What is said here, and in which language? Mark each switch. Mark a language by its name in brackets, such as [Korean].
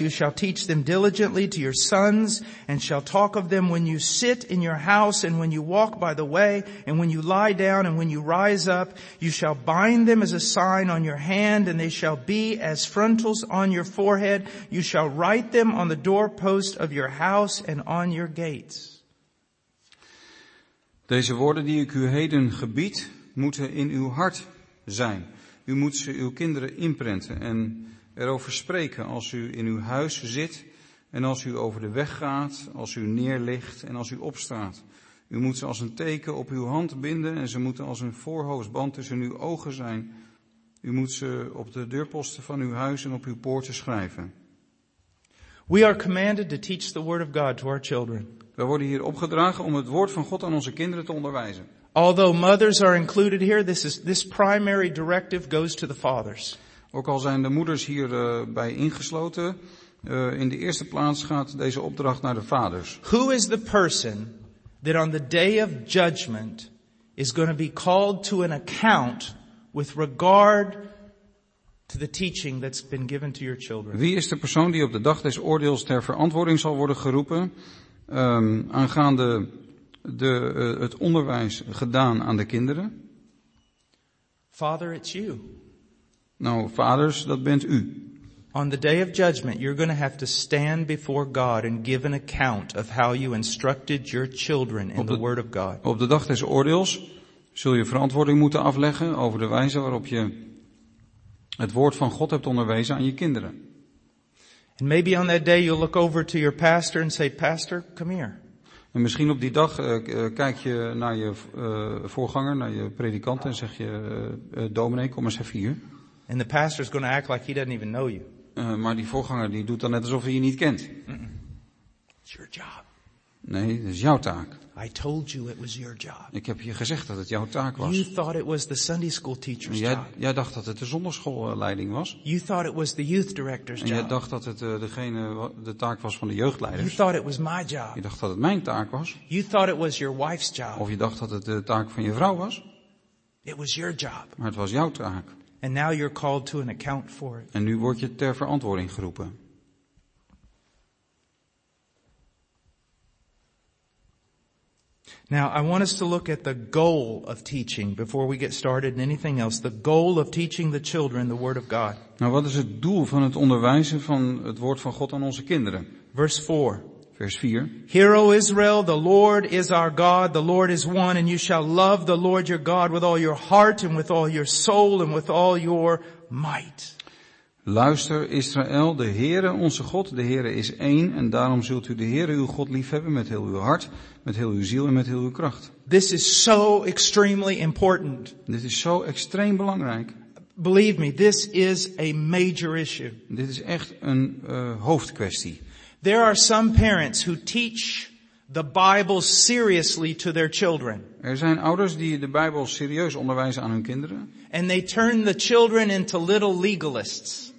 [English] You shall teach them diligently to your sons and shall talk of them when you sit in your house and when you walk by the way and when you lie down and when you rise up. You shall bind them as a sign on your hand and they shall be as frontals on your forehead. You shall write them on the doorpost of your house and on your gates. [Dutch] Deze woorden die ik u heden gebied, moeten in uw hart zijn. U moet ze uw kinderen inprenten en erover spreken als u in uw huis zit en als u over de weg gaat, als u neerligt en als u opstaat. U moet ze als een teken op uw hand binden en ze moeten als een voorhoofdband tussen uw ogen zijn. U moet ze op de deurposten van uw huis en op uw poorten schrijven. [English] We are commanded to teach the word of God to our children. [Dutch] We worden hier opgedragen om het woord van God aan onze kinderen te onderwijzen. [English] Although mothers are included here, this primary directive goes to the fathers. [Dutch] Ook al zijn de moeders hier bij ingesloten, in de eerste plaats gaat deze opdracht naar de vaders. [English] Who is the person that on the day of judgment is going to be called to an account with regard to the teaching that's been given to your children? [Dutch] Wie is de persoon die op de dag des oordeels ter verantwoording zal worden geroepen? Aangaande het onderwijs gedaan aan de kinderen. [English] Father, it's you. [Dutch] Nou, vaders, dat bent u. [English] On the day of judgment, you're going to have to stand before God and give an account of how you instructed your children in the word of God. [Dutch] Op de dag des oordeels zul je verantwoording moeten afleggen over de wijze waarop je het woord van God hebt onderwezen aan je kinderen. [English] And maybe on that day you'll look over to your pastor and say, Pastor, come here. [Dutch] En misschien op die dag kijk je naar je voorganger, naar je predikant en zeg je, dominee, kom eens even hier. [English] And the pastor is going to act like he doesn't even know you. [Dutch] Maar die voorganger die doet dan net alsof hij je niet kent. [English] It's your job. [Dutch] Nee, het is jouw taak. [English] I told you it was your job. [Dutch] Ik heb je gezegd dat het jouw taak was. [English] You thought it was the Sunday school teacher's job. [Dutch] Jij dacht dat het de zonderschoolleiding was. [English] You thought it was the youth director's job. [Dutch] En jij dacht dat het de taak was van de jeugdleiders. [English] You thought it was my job. [Dutch] Je dacht dat het mijn taak was. [English] You thought it was your wife's job. [Dutch] Of je dacht dat het de taak van je vrouw was. [English] It was your job. [Dutch] Maar het was jouw taak. [English] And now you're called to an account for it. [Dutch] En nu word je ter verantwoording geroepen. [English] Now I want us to look at the goal of teaching before we get started in anything else. The goal of teaching the children the word of God. [Dutch] Nou, wat is het doel van het onderwijzen van het woord van God aan onze kinderen? [English] Verse 4. Hear, O Israel, the Lord is our God, the Lord is one, and you shall love the Lord your God with all your heart and with all your soul and with all your might. [Dutch] Luister, Israël, de Heere, onze God, de Heere is één, en daarom zult u de Heere, uw God, lief hebben met heel uw hart, met heel uw ziel en met heel uw kracht. [English] This is so extremely important. [Dutch] Dit is zo extreem belangrijk. [English] Believe me, this is a major issue. [Dutch] Dit is echt een hoofdkwestie. [English] There are some parents who teach the Bible seriously to their children. [Dutch] Er zijn ouders die de Bijbel serieus onderwijzen aan hun kinderen. [English] And they turn the children into little legalists.